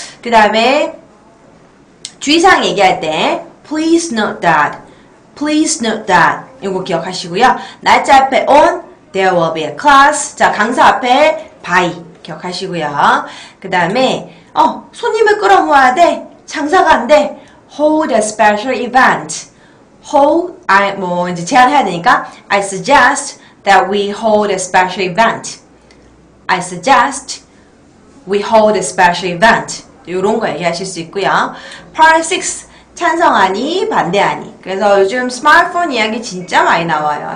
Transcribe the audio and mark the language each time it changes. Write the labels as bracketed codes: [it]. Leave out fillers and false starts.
[ko] 그 다음에 주의사항 얘기할 때 [en] Please note that. [ko] 요거 기억하시고요. 날짜 앞에 [en] on, there will be a class. [ko] 자, 강사 앞에 by 기억하시고요. 그 다음에 손님을 끌어모아야 돼. 장사가 안 돼. [en] Hold a special event. I suggest that we hold a special event. I suggest we hold a special event. [ko] 이런 거 얘기하실 수 있고요. Part 6. 찬성하니 반대하니. 그래서 요즘 스마트폰 이야기 진짜 많이 나와요.